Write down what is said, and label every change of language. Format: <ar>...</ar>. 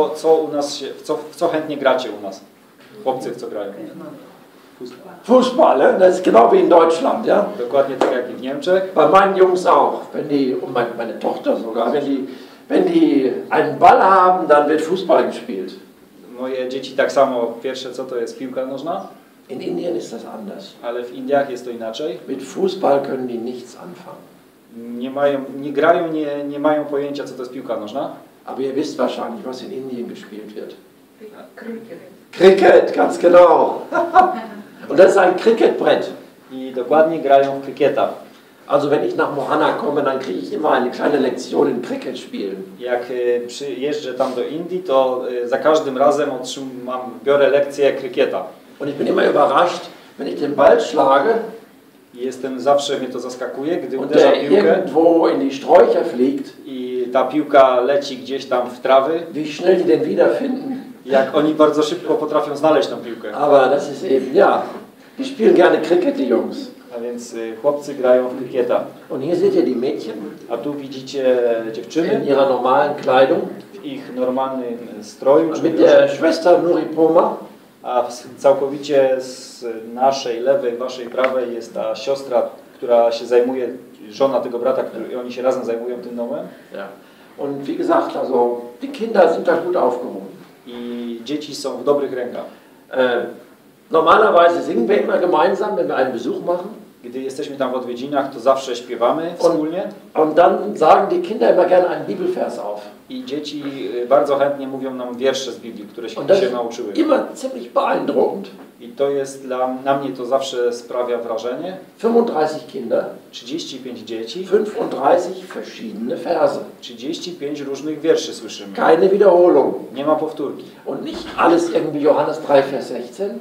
<pl>Co u nas się, w co chętnie gracie u nas? Chłopcy w co grają?</pl> <de>Fußball, das ist genau wie in Deutschland, ja?</de> <pl>Dokładnie tak jak w Niemczech.</pl> <de>Bei meinen Jungs auch, wenn die, und meine Tochter sogar, wenn die einen Ball haben, dann wird Fußball gespielt.</de> <pl>Moje dzieci tak samo, pierwsze co to jest piłka nożna?</pl> <de>In Indien ist das anders.</de> <pl>Ale w Indiach jest to inaczej.</pl> <de>Mit Fußball können die nichts anfangen.</de> <pl>Nie mają, nie grają, nie mają pojęcia, co to jest piłka nożna.</pl> <de>Aber ihr wisst wahrscheinlich, was in Indien gespielt wird. Cricket. Cricket, ganz genau. Und das ist ein Cricketbrett.</de> <pl>I dokładnie grają w krykieta.</pl> <de>Also wenn ich nach Mohana komme, dann kriege ich immer eine kleine Lektion in Cricket spielen.</de> <pl>Jak przyjeżdżę tam do Indii, to za każdym razem otrzymam, biorę lekcję krykieta.</pl> <de>Und ich bin immer überrascht, wenn ich den Ball schlage.</de> <pl>Jestem zawsze, mnie to zaskakuje, gdy uderza piłkę.</pl> <de>Irgendwo in die Sträucher fliegt.</de> <pl>I ta piłka leci gdzieś tam w trawy.</pl> <de>Wie schnell die denn wiederfinden.</de> <pl>Jak oni bardzo szybko potrafią znaleźć tą piłkę.</pl> <de>Aber das ist eben, ja. Die spielen gerne Cricket, die Jungs.</de> <pl>A więc chłopcy grają w krykieta.</pl> <de>Und hier seht ihr die Mädchen.</de> <pl>A tu widzicie dziewczyny.</pl> <de>In ihrer normalen Kleidung.</de> <pl>W ich normalnym stroju.</pl> <de>A mit der Schwester Nuri Poma.</de> <pl>A całkowicie z naszej lewej, waszej prawej jest ta siostra, która się zajmuje, żona tego brata, który, oni się razem zajmują tym domem.</pl> <de>Und wie gesagt, also die Kinder sind da gut aufgehoben.</de> <pl>I dzieci są w dobrych rękach.</pl> <de>Normalerweise singen wir immer gemeinsam, wenn wir einen Besuch machen.</de> <pl>Gdy jesteśmy tam w odwiedzinach, to zawsze śpiewamy wspólnie.</pl> <de>Und dann sagen die Kinder immer gerne einen Bibelvers auf.</de> <pl>I dzieci bardzo chętnie mówią nam wiersze z Biblii, które się nauczyły.</pl> <de>Immer ziemlich beeindruckend.</de> <pl>I to jest na mnie to zawsze sprawia wrażenie.</pl> <de>35 Kinder.</de> <pl>35 dzieci.</pl> <de>35 verschiedene Verse.</de> <pl>35 różnych wierszy słyszymy.</pl> <de>Keine Wiederholung.</de> <pl>Nie ma powtórki.</pl> <de>Und nicht alles irgendwie Johannes 3, Vers 16.</de>